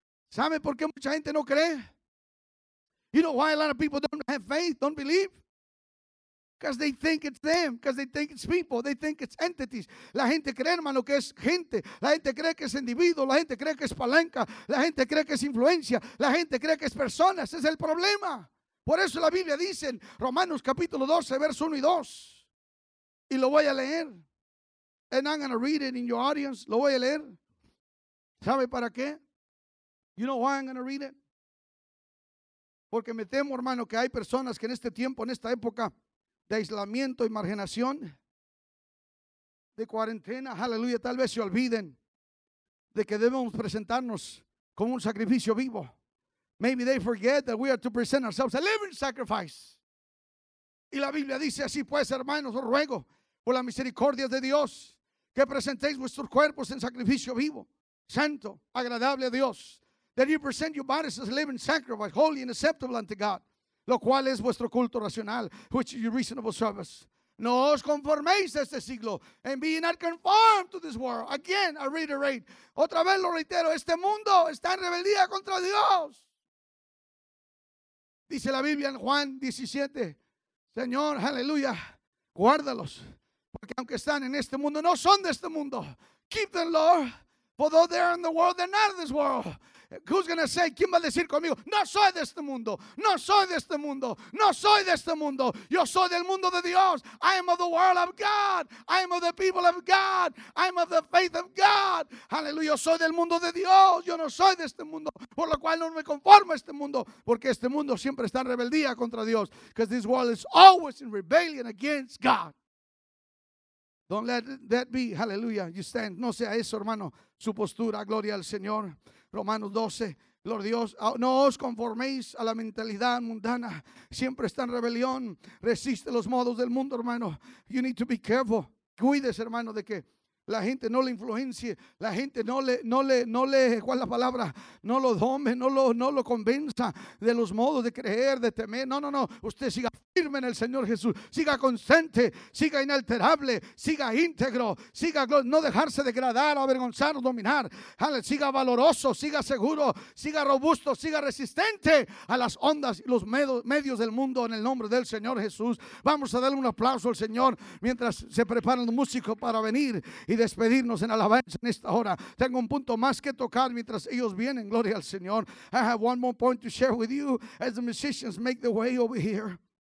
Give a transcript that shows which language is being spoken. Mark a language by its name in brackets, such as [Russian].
[Spanish] ¿Sabe por qué mucha gente no cree? [English] You know why a lot of people don't have faith, don't believe? Because they think it's them, because they think it's people, they think it's entities. [Spanish] La gente cree, hermano, que es gente. La gente cree que es individuo, la gente cree que es palanca, la gente cree que es influencia, la gente cree que es personas. Ese es el problema. Por eso la Biblia dice en Romanos capítulo 12, verso 1 y 2. Y lo voy a leer. [English] And I'm going to read it in your audience. [Spanish] Lo voy a leer. ¿Sabe para qué? [English] You know why I'm going to read it? [Spanish] Porque me temo, hermano, que hay personas que en este tiempo, en esta época de aislamiento y marginación, de cuarentena, aleluya, tal vez se olviden de que debemos presentarnos como un sacrificio vivo. [English] Maybe they forget that we are to present ourselves a living sacrifice. [Spanish] Y la Biblia dice así, pues, hermanos, os ruego por la misericordia de Dios que presentéis vuestros cuerpos en sacrificio vivo, santo, agradable a Dios. [English] That you present your bodies as a living sacrifice, holy and acceptable unto God. [Spanish] Lo cual es vuestro culto racional, [English] which is your reasonable service. [Spanish] No os conforméis a este siglo, [English] and be not conformed to this world. Again, I reiterate. [Spanish] Otra vez lo reitero, este mundo está en rebeldía contra Dios. Dice la Biblia en Juan 17, Señor, aleluya, guárdalos, porque aunque están en este mundo, no son de este mundo. [English] Keep them, Lord, for though they are in the world, they're not in this world. Who's going to say, [Spanish] ¿quién va a decir conmigo? No soy de este mundo, no soy de este mundo, no soy de este mundo. Yo soy del mundo de Dios. [English] I am of the world of God. I am of the people of God. I am of the faith of God. Aleluya, [Spanish] soy del mundo de Dios. Yo no soy de este mundo, por lo cual no me conformo a este mundo, porque este mundo siempre está en rebeldía contra Dios. [English] Because this world is always in rebellion against God. Don't let that be, aleluya, you stand. [Spanish] No sea eso, hermano, su postura, gloria al Señor. Romanos 12, Lord Dios, no os conforméis a la mentalidad mundana. Siempre está en rebelión. Resiste los modos del mundo, hermano. [English] You need to be careful. [Spanish] Cuídese, hermano, de que la gente no le influencie. La gente no le, ¿cuál es la palabra? No lo dome, no lo convenza de los modos de creer, de temer. No. Usted siga firme en el Señor Jesús. Siga constante, siga inalterable, siga íntegro, siga no dejarse degradar, avergonzar o dominar. Siga valoroso, siga seguro, siga robusto, siga resistente a las ondas y los medios del mundo en el nombre del Señor Jesús. Vamos a darle un aplauso al Señor mientras se preparan los músicos para venir y despedirnos en alabanza en esta hora. Tengo un punto más que tocar mientras ellos vienen. Gloria al Señor. [English] I have one more point to share with you as the musicians make their way over here.